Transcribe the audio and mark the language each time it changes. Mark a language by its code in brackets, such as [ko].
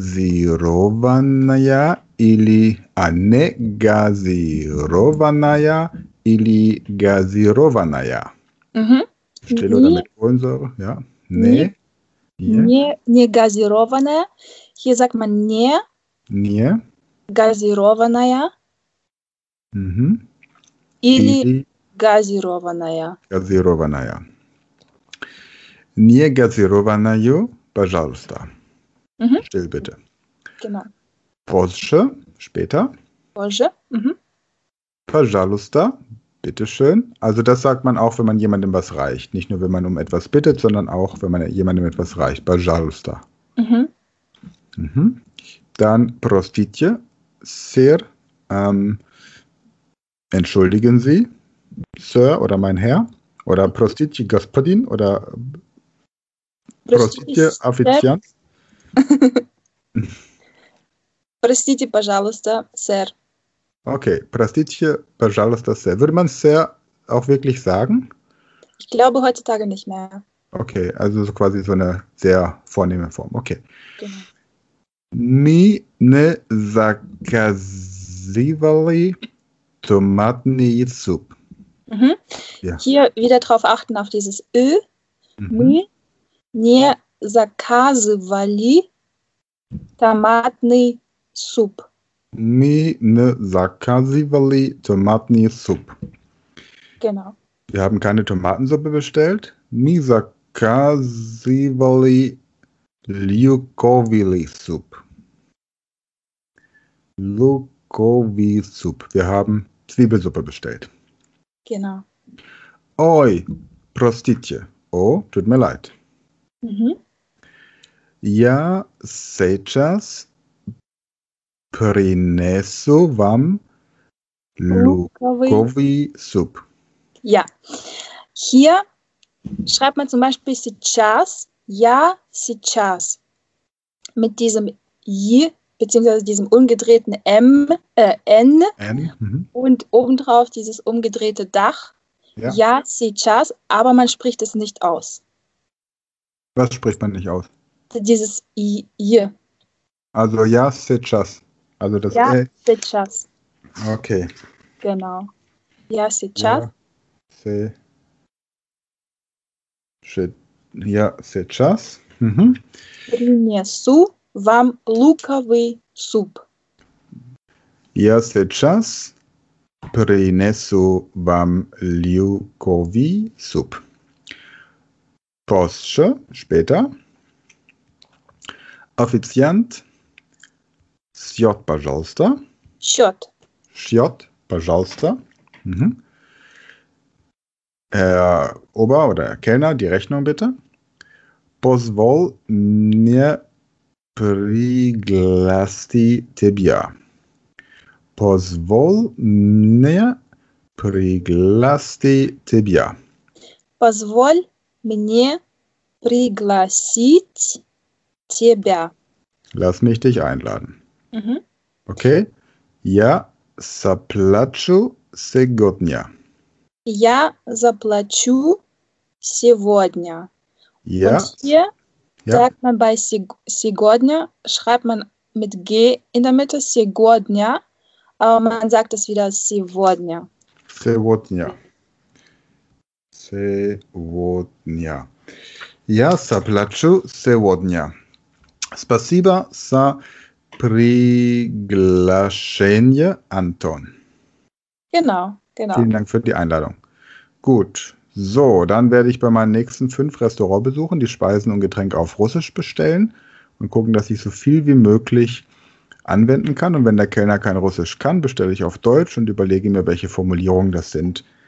[ru] Negazirovanaya или... А, негазированная или газированная? Mm-hmm. [de] Still oder mit Kohlensäure, ja. [ru] Не. Негазированная. [de] Hier sagt man не. [ru] Не. Газированная. Mm-hmm. Или газированная. Газированная. Не газированную, пожалуйста. Mm-hmm. [de] Still bitte. Genau. [ru] Позже, später. Позже. Mm-hmm. [de] Пожалуйста, bitteschön. Also das sagt man auch, wenn man jemandem was reicht. Nicht nur, wenn man um etwas bittet, sondern auch, wenn man jemandem etwas reicht. [ru] Пожалуйста. Mm-hmm. Mm-hmm. [de] Dann простите, sir. Entschuldigen Sie, sir oder mein Herr. [ru] Oder простите, господин. Oder простите, официант. Простите, пожалуйста, сэр. Okay, простите, пожалуйста, сэр. [de] Würde man сэр auch wirklich sagen? Ich glaube heutzutage nicht mehr. Okay, also so quasi so eine sehr vornehme Form. Okay. [ru] Mi не заказывали томатный суп. [de] Hier wieder drauf achten auf dieses Ö. [ru] Mi не заказывали томатный суп. Мы не заказывали томатный суп. [de] Genau. Wir haben keine Tomatensuppe bestellt. [ru] Мы заказывали луковый суп. Луковый суп. [de] Wir haben Zwiebelsuppe bestellt. Genau. [ru] Ой, простите. [de] Oh, tut mir leid. [ru] Я сейчас принесу вам луковый суп. [de] Ja. Hier schreibt man zum Beispiel сейчас, я сейчас. Mit diesem I, beziehungsweise diesem umgedrehten M, N. Und obendrauf dieses umgedrehte Dach. Ja, сейчас, aber man spricht es nicht aus. Was spricht man nicht aus? Dieses I. Also ja, сейчас. Also das ja, сейчас. Okay. Genau. Ja, сейчас. Ja, сейчас. [ru] Принесу вам луковый суп. Я сейчас принесу вам луковый суп. Позже, später. Официант, счет, пожалуйста. Счет. Счет, пожалуйста. Mhm. [de] Herr Ober- oder Herr Kellner, die Rechnung bitte. [ru] Позволь мне пригласить тебя. Позволь мне пригласить тебя. Позволь мне пригласить тебя. [de] Lass mich dich einladen. Mhm. [ru] Okay. Я заплачу сегодня. Я заплачу сегодня. [de] Ja. Und hier sagt man bei сегодня, schreibt man mit G in der Mitte, сегодня, aber man sagt es wieder сегодня. [ru] Сегодня. Сегодня. Я заплачу сегодня. Спасибо за приглашение, Антон. [de] Genau, genau. Vielen Dank für die Einladung. Gut, So, dann werde ich bei meinen nächsten 5 Restaurantbesuchen die Speisen und Getränke auf Russisch bestellen und gucken, dass ich so viel wie möglich anwenden kann. Und wenn der Kellner kein Russisch kann, bestelle ich auf Deutsch und überlege mir, welche Formulierungen das sind.